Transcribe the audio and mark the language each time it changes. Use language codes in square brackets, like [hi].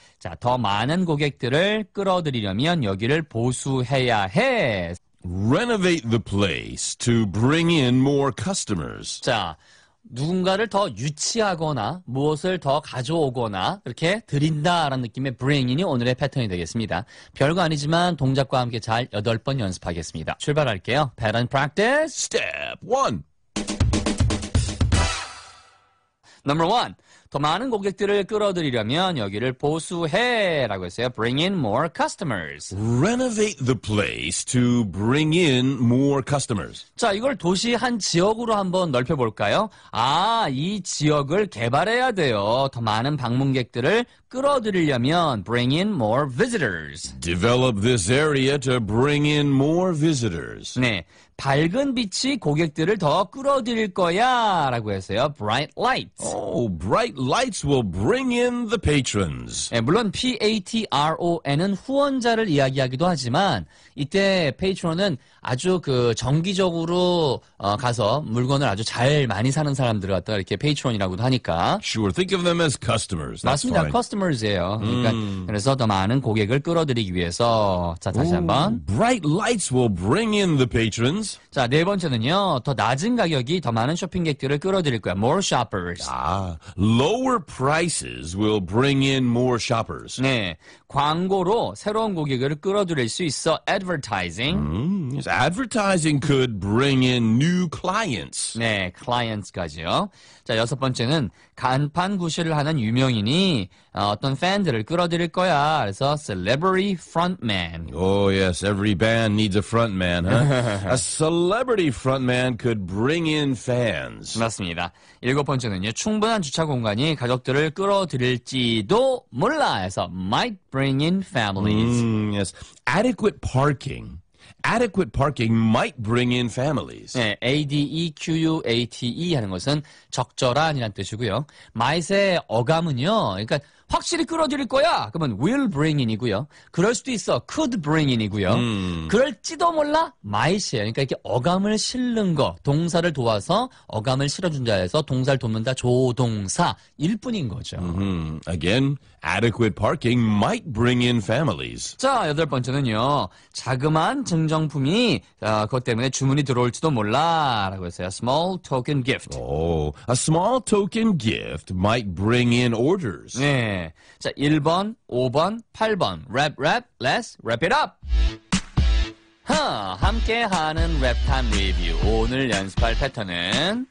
[ko] 자, 더 많은 고객들을 끌어들이려면 여기를 보수해야 해. [en] Renovate the place to bring in more customers. [ko] 자, 누군가를 더 유치하거나 무엇을 더 가져오거나 이렇게 드린다라는 느낌의 bring in이 오늘의 패턴이 되겠습니다. 별거 아니지만 동작과 함께 잘 8번 연습하겠습니다. 출발할게요. [en] Pattern practice. Step 1. Number 1. [ko] 더 많은 고객들을 끌어들이려면 여기를 보수해 라고 했어요. [en] Bring in more customers. Renovate the place to bring in more customers. [ko] 자, 이걸 도시 한 지역으로 한번 넓혀볼까요? 아, 이 지역을 개발해야 돼요. 더 많은 방문객들을 끌어들이려면 [en] bring in more visitors. Develop this area to bring in more visitors. [ko] 네. 밝은 빛이 고객들을 더 끌어들일 거야 라고 했어요. [en] Bright lights. Oh, bright lights will bring in the patrons. [ko] 네, 물론 patron은 후원자를 이야기하기도 하지만 이때 patron은 아주 그 정기적으로 가서 물건을 아주 잘 많이 사는 사람들을 갖다 이렇게 patron이라고도 하니까. [en] Sure, think of them as customers. That's [ko] 맞습니다. [en] Fine. [ko] Customers예요. 그러니까 그래서 더 많은 고객을 끌어들이기 위해서. 자, 다시 한번. [en] Bright lights will bring in the patrons. [ko] 자, 네 번째는요. 더 낮은 가격이 더 많은 쇼핑객들을 끌어들일 거야. [en] More shoppers. 아, lower prices will bring in more shoppers. [ko] 네, 광고로 새로운 고객을 끌어들일 수 있어. [en] Advertising. Advertising could bring in new clients. [ko] 네, clients까지요. 자, 여섯 번째는 간판 구실을 하는 유명인이 어떤 팬들을 끌어들일 거야. 그래서 [en] celebrity frontman. Oh yes, every band needs a frontman, huh? A celebrity frontman could bring in fans. [ko] 맞습니다. 일곱 번째는요, 충분한 주차 공간이 가족들을 끌어들일지도 몰라 해서 [en] might bring in families. Yes, adequate parking. Adequate parking might bring in families. [ko] 네, adequate 하는 것은 적절한이란 뜻이고요. might의 어감은요, 그러니까 확실히 끌어들일 거야. 그러면 will bring in이고요. 그럴 수도 있어. could bring in이고요. 그럴지도 몰라. might이에요. 그러니까 이렇게 어감을 실는 거. 동사를 도와서 어감을 실어준다 해서 동사를 돕는다. 조동사일 뿐인 거죠. [en] Again, adequate parking might bring in families. [ko] 자, 여덟 번째는요. 자그마한 증정품이 그것 때문에 주문이 들어올지도 몰라. 라고 했어요. [en] Small token gift. Oh, a small token gift might bring in orders. [ko] 네. 자, 1번, 5번, 8번. [en] Rap, rap, let's wrap it up. [ko] 함께하는 랩탐 리뷰. 오늘 연습할 패턴은